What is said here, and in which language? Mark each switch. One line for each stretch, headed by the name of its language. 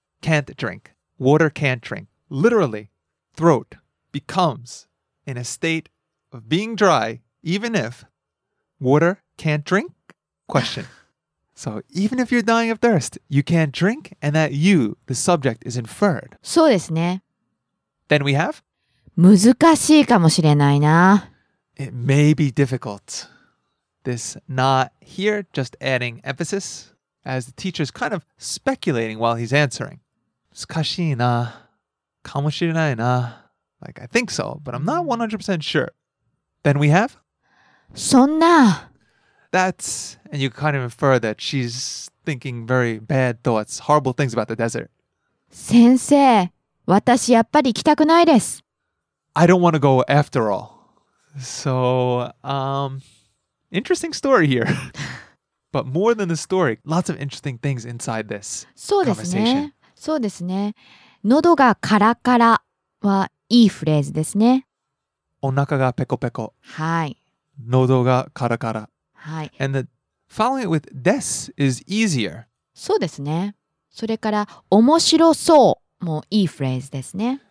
English: can't drink, water can't drink. Literally, throat becomes in a state of being dry, even if water can't drink? Question. So even if you're dying of thirst, you can't drink, and that you, the subject, is inferred.
Japanese: そうですね。
English: Then we have?
Japanese: 難しいかもしれないな。
English: It may be difficult. This not here, just adding emphasis, as the teacher is kind of speculating while he's answering.
Japanese: 難しいな。かもしれないな。
English: Like, I think so, but I'm not 100% sure. Then we have?
Japanese: そんな。
English: That's, and you kind of infer that she's thinking very bad thoughts, horrible things about the desert.
Japanese: 先生、私やっぱり来たくないです。
English: I don't want to go after all. So, interesting story here. But more than the story, lots of interesting things inside this conversation.
Japanese: そうですね。喉がカラカラはいいフレーズですね。お腹がペコペコ。はい。喉がカラカラ。はい。
English: And the following it with this is easier.
Japanese: そうですね。それから面白そうもいいフレーズですね。